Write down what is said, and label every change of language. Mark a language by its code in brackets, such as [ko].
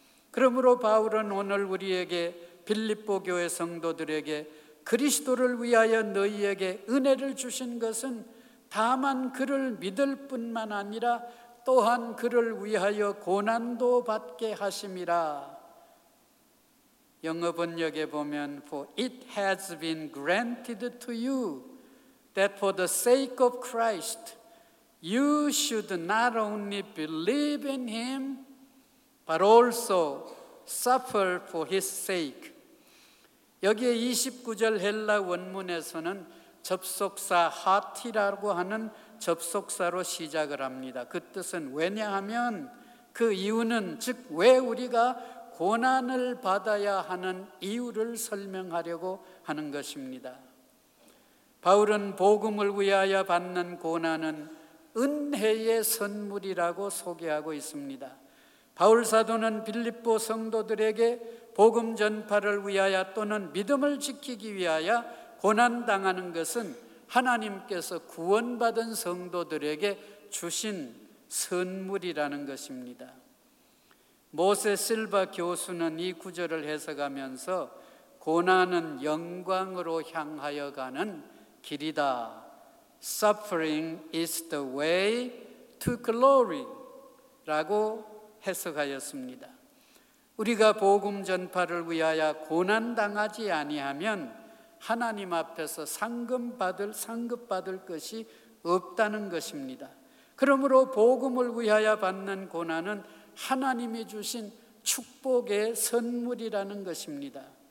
[ko] 그러므로 바울은 오늘 우리에게 빌립보 교회 성도들에게 그리스도를 위하여 너희에게 은혜를 주신 것은 다만 그를 믿을 뿐만 아니라 또한 그를 위하여 고난도 받게 하심이라. 영어 번역에 보면 [en] For it has been granted to you that for the sake of Christ you should not only believe in him but also suffer for his sake. [ko] 여기에 29절 헬라 원문에서는 접속사 하티라고 하는 접속사로 시작을 합니다. 그 뜻은 왜냐하면, 그 이유는, 즉 왜 우리가 고난을 받아야 하는 이유를 설명하려고 하는 것입니다. 바울은 복음을 위하여 받는 고난은 은혜의 선물이라고 소개하고 있습니다. 바울사도는 빌립보 성도들에게 복음 전파를 위하여 또는 믿음을 지키기 위하여 고난당하는 것은 하나님께서 구원받은 성도들에게 주신 선물이라는 것입니다. 모세 실바 교수는 이 구절을 해석하면서 고난은 영광으로 향하여 가는 길이다. [en] Suffering is the way to glory [ko] 라고 해석하였습니다. 우리가 복음 전파를 위하여 고난당하지 아니하면 하나님 앞에서 상급받을 것이 없다는 것입니다. 그러므로 복음을 위하여 받는 고난은 하나님이 주신 축복의 선물이라는 것입니다.